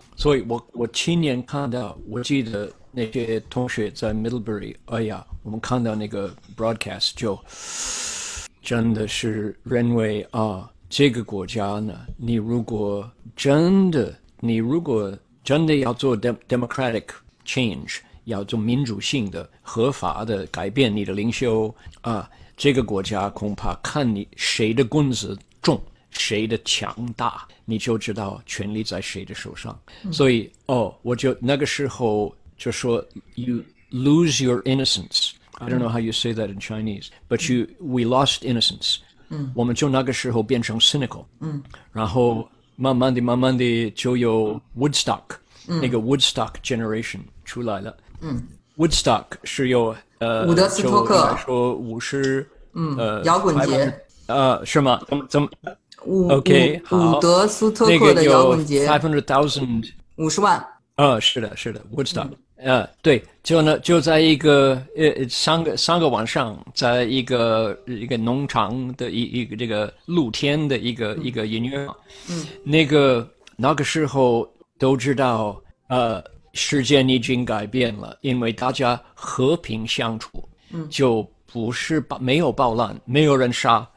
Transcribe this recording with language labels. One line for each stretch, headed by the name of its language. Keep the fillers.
Chinese: 所以我，我我亲眼看到，我记得那些同学在 Middlebury，哎呀，我们看到那个 broadcast 就，真的是认为啊，这个国家呢，你如果真的，你如果真的要做
English: democratic change，
Chinese: 要做民主性的、合法的改变你的领袖啊，这个国家恐怕看你谁的棍子重。谁的强大，你就知道权力在谁的手上。嗯、所以，哦，我就那个时候就说，
English: you oh, lose your innocence。 I don't know how you say that in Chinese, but you we lost innocence.
Chinese: 嗯，我们就那个时候变成 cynical。嗯，然后慢慢的、慢慢的就有 Woodstock，、嗯、那个 Woodstock generation 出来了。嗯，Woodstock 是有呃，伍德斯托克说五十，嗯，呃，摇滚节，呃，是吗？怎么怎么？Uh, OK，好，摇滚节
English: f i v e hundred thousand，
Chinese: 五十万。啊、哦，是的，是的，Woodstock。呃 Wood、嗯啊，对，就那就在一个呃三个三个晚上，在一个一个农场的一一个这个露天的一个、嗯、一个音乐嗯，那个那个时候都知道，呃，世界已经改变了，因为大家和平相处，嗯，就不是暴没有暴乱，没有人杀。